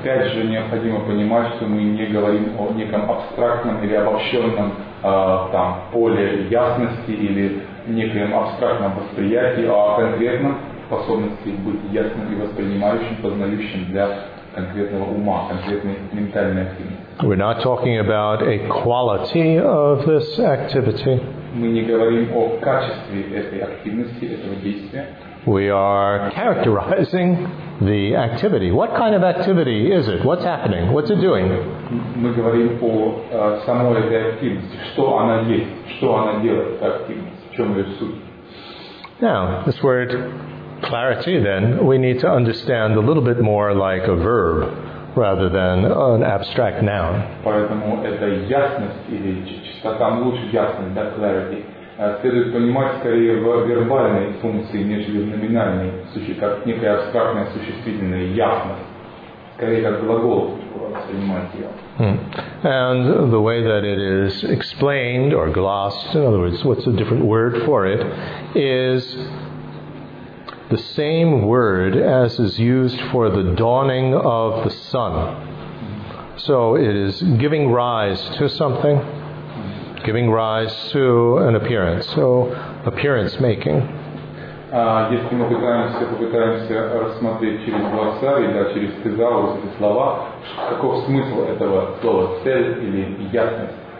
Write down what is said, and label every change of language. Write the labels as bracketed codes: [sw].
[ru] Опять же, необходимо понимать, что мы не говорим о неком абстрактном или обобщенном там поле ясности или неком абстрактном восприятии, а о конкретном способности быть ясным и воспринимающим, познающим для конкретного ума, конкретной ментальной активности. [en] We're not talking about a quality of this activity. [ru] Мы не говорим о качестве этой активности, этого действия. [en] We are characterizing the activity. What kind of activity is it? What's happening? What's it doing? [ru] Мы говорим о самой этой активности. Что она есть? Что она делает, эта активность? В чем ее суть? [en] Now, this word clarity, then, we need to understand a little bit more like a verb rather than an abstract noun. [ru] Поэтому это ясность или чистота, лучше ясность, да, clarity. Следует понимать скорее в вербальной функции, нежели в номинальной, как некое абстрактное существительное, ясность. Скорее как глагол воспринимать ее. [en] And the way that it is explained or glossed, in other words, what's a different word for it, is the same word as is used for the dawning of the sun. So it is giving rise to something, giving rise to an appearance. So appearance making. [ru] Если мы попытаемся рассмотреть через глаза или через сказалось эти слова, каков смысл этого слова цель или ясность?